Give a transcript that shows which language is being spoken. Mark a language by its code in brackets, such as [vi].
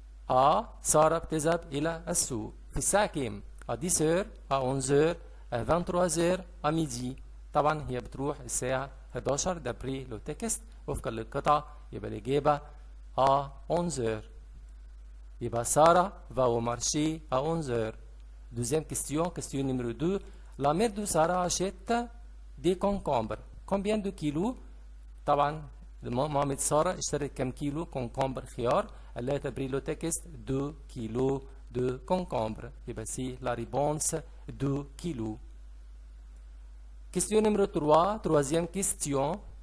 [ar] آ سارة بتذهب إلى السوق في الساعة كام؟ [fr] à 10h, à 11h, à 23h, à midi. [ar] طبعا هي بتروح الساعة 11 دابري لو تكست، وفقا للقطعة يبقى الإجابة à 11h. يبقى [fr] سارة va au marché à 11h. دوزيام كيستيون، كيستيون نمرو 2. La mère de سارة achète des concombres. Combien de kilos? [ar] طبعا مامة سارة اشترت كم كيلو كونكومبر خيار؟ قال لها تبريلو تكست 2 كيلو دو كونكومبر. يبقى سي لا ريبونس 2 كيلو. كيستيون نمرو 3، تروازيام كيستيون.